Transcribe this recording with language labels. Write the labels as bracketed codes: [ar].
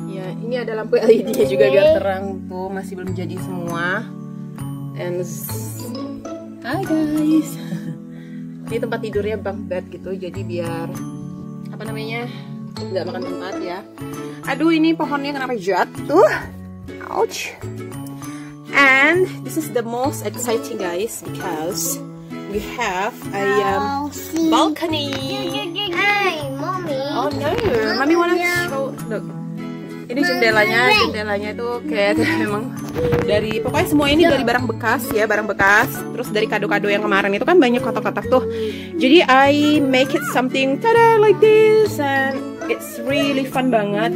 [id] Ya, ini ada lampu LED-nya juga biar terang. Tuh, masih belum jadi semua. [en] And hi guys. [id] Ini tempat tidurnya bunk bed gitu, jadi biar apa namanya? Enggak makan tempat ya. Aduh, ini pohonnya kenapa jatuh? Ouch. [en] And this is the most exciting guys because we have a balcony. Hi, mommy. Oh no, mommy wanna show. [id] Look, ini jendelanya itu kayak memang dari pokoknya semua ini dari barang bekas ya, barang bekas. Terus dari kado-kado yang kemarin itu kan banyak kotak-kotak tuh. [en] Jadi I make it something tada like this and it's really fun banget.